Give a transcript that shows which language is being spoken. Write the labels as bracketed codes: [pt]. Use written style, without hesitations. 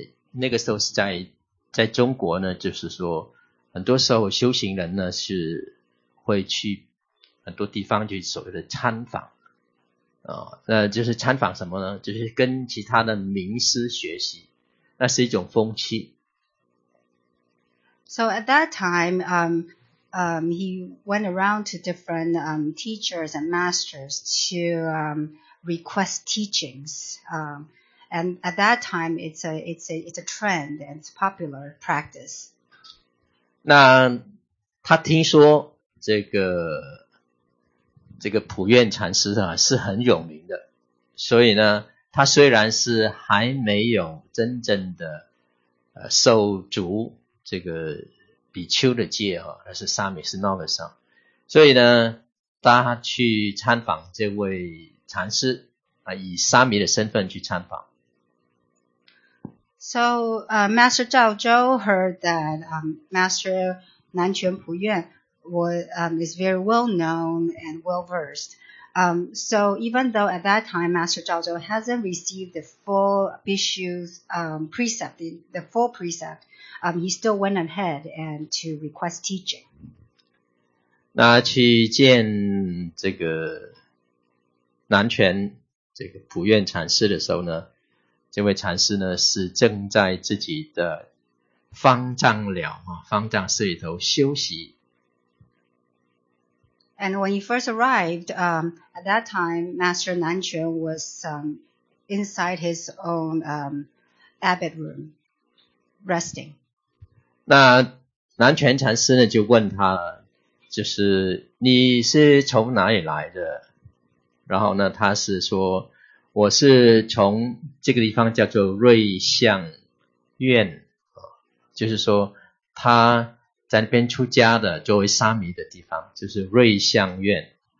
[zh] 那个时候是在中国呢，就是说很多时候修行人呢是会去很多地方去所谓的参访，就是参访什么呢，就是跟其他的名师学习，那是一种风气。 [en] So at that time, he went around to different teachers and masters to request teachings. And at that time, it's a trend and it's popular practice. [zh] 那他听说这个普愿禅师啊是很有名的，所以呢，他虽然是还没有真正的受足这个比丘的戒啊，而是沙弥是 novice 啊，所以呢，他去参访这位禅师啊，以沙弥的身份去参访。 [en] So, Master Zhao Zhou heard that Master Nan Quan Pu Yuan is very well known and well versed. So, even though at that time Master Zhao Zhou hasn't received the full Bishu's precept, the full precept, he still went ahead and to request teaching. [zh] 那去见这个南泉这个普愿禅师的时候呢？这位禅师呢是正在自己的方丈寮啊，方丈寺里头休息。 [en] And when he first arrived, at that time, Master Nan Quan was inside his own abbot room, resting. [zh] 那南泉禅师呢就问他，就是你是从哪里来的？然后呢，他是说。我是从这个地方叫做瑞相院，就是说他在那边出家的，作为沙弥的地方就是瑞相院。